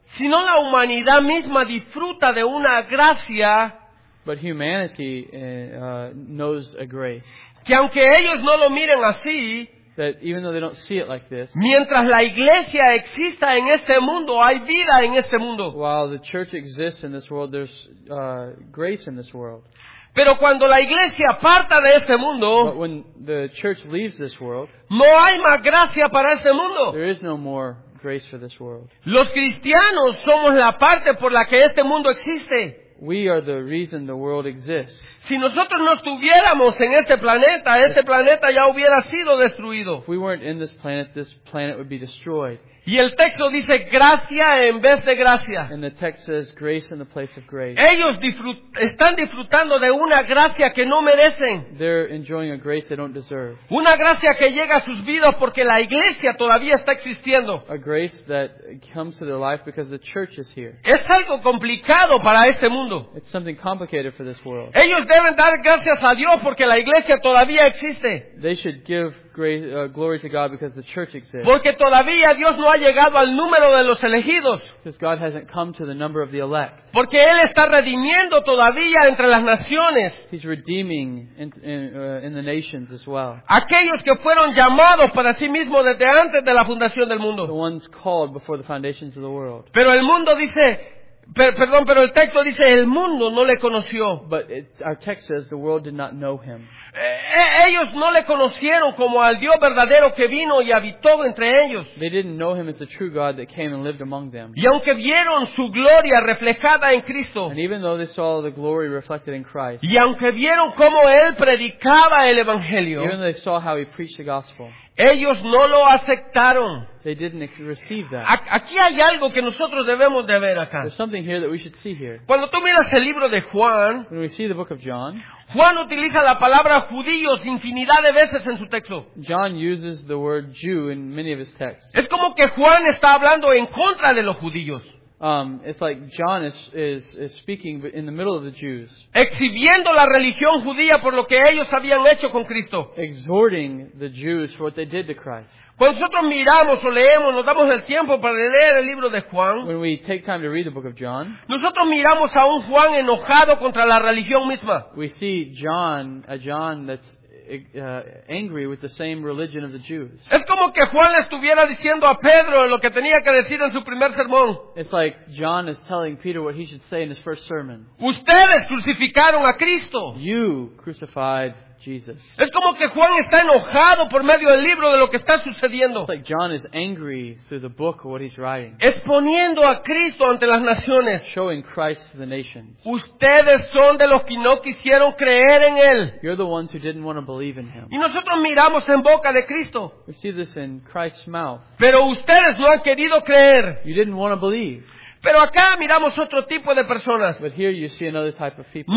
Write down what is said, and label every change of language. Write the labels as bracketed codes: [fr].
[es] Sino la humanidad misma disfruta de una gracia. [en] But humanity knows a grace. [es] Que aunque ellos no lo miren así, [en] that even though they don't see it like this, [es] mientras la iglesia exista en este mundo, hay vida en este mundo. [en] While the church exists in this world, there's grace in this world. [es] Pero cuando la iglesia parta de este mundo, [en] but when the church leaves this world, [es] no hay más gracia para este mundo. [en] There is no more grace for this world. [es] Los cristianos somos la parte por la que este mundo existe. [en] We are the reason the world exists. [es] Si nosotros no estuviéramos en este planeta ya hubiera sido destruido. [en] If we weren't in this planet would be destroyed. [es] Y el texto dice gracia en vez de gracia. [en] And the text says grace in the place of grace. [es] Ellos están disfrutando de una gracia que no merecen. [en] They're enjoying a grace they don't deserve. [es] Una gracia que llega a sus vidas porque la iglesia todavía está existiendo. [en] A grace that comes to their life because the church is here. [es] Es algo complicado para este mundo. [en] It's something complicated for this world. [es] Ellos deben dar gracias a Dios porque la iglesia todavía existe. [en] They should give glory to God because the church exists. [es] Porque todavía Dios no ha llegado al número de los elegidos. [en] Because God hasn't come to the number of the elect. [es] Porque Él está redimiendo todavía entre las naciones. [en] He's redeeming in the nations as well. [es] Aquellos que fueron llamados para sí mismos desde antes de la fundación del mundo. [en] The ones called before the foundations of the world. [es] Pero el mundo dice, perdón, pero el texto dice, el mundo no le conoció. [en] But our text says the world did not know him. [es] Ellos no le conocieron como al Dios verdadero que vino y habitó entre ellos. [en] They didn't know him as the true God that came and lived among them. [es] Y aunque vieron su gloria reflejada en Cristo. [en] And even though they saw the glory reflected in Christ. [es] Y aunque vieron cómo él predicaba el evangelio. [en] Even though they saw how he preached the gospel. [es] Ellos no lo aceptaron. [en] They didn't receive that. [es] Aquí hay algo que nosotros debemos de ver acá. [en] There's something here that we should see here. [es] Cuando tú miras el libro de Juan, [en] when we see the book of John, [es] Juan utiliza la palabra judíos infinidad de veces en su texto. [en] John uses the word Jew in many of his texts. [es] Es como que Juan está hablando en contra de los judíos. [en] It's like John is speaking in the middle of the Jews. [es] Exhibiendo la religión judía por lo que ellos habían hecho con Cristo. [en] Exhorting the Jews for what they did to Christ. [es] Cuando nosotros miramos o leemos, nos damos el tiempo para leer el libro de Juan. [en] When we take time to read the book of John. [es] Nosotros miramos a un Juan enojado contra la religión misma. [en] We see a John that's angry with the same religion of the Jews. [es] Es como que Juan le estuviera diciendo a Pedro lo que tenía que decir en su primer sermón. [en] It's like John is telling Peter what he should say in his first sermon. [es] Ustedes crucificaron a Cristo. [en] You crucified Jesus. [es] Es como que Juan está enojado por medio del libro de lo que está sucediendo. [en] It's like John is angry through the book of what he's writing. [es] Exponiendo a Cristo ante las naciones. [en] Showing Christ to the nations. [es] Ustedes son de los que no quisieron creer en él. [en] You're the ones who didn't want to believe in him. [es] Y nosotros miramos en boca de Cristo. [en] We see this in Christ's mouth. [es] Pero ustedes no han querido creer. [en] You didn't want to believe. [es] Pero acá miramos otro tipo de personas. [en] But here you see another type of people.